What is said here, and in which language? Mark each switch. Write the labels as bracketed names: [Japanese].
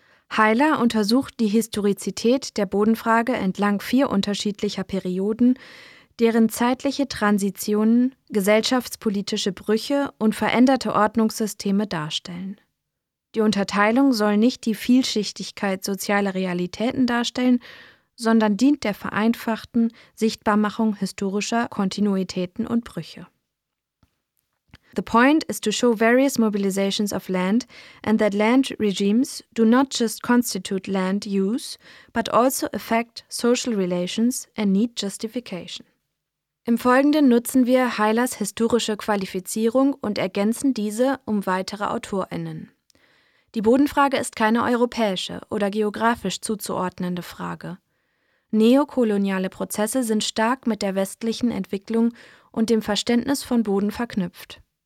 [German] Heiler untersucht die Historizität der Bodenfrage entlang vier unterschiedlicher Perioden, deren zeitliche Transitionen gesellschaftspolitische Brüche und veränderte Ordnungssysteme darstellen. Die Unterteilung soll nicht die Vielschichtigkeit sozialer Realitäten darstellen, sondern dient der vereinfachten Sichtbarmachung historischer Kontinuitäten und Brüche. [English] The point is to show various mobilizations of land and that land regimes do not just constitute land use, but also affect social relations and need justification. [German] Im Folgenden nutzen wir Heilers historische Qualifizierung und ergänzen diese um weitere AutorInnen. Die Bodenfrage ist keine europäische oder geografisch zuzuordnende Frage. Neokoloniale Prozesse sind stark mit der westlichen Entwicklung und dem Verständnis von Boden verknüpft.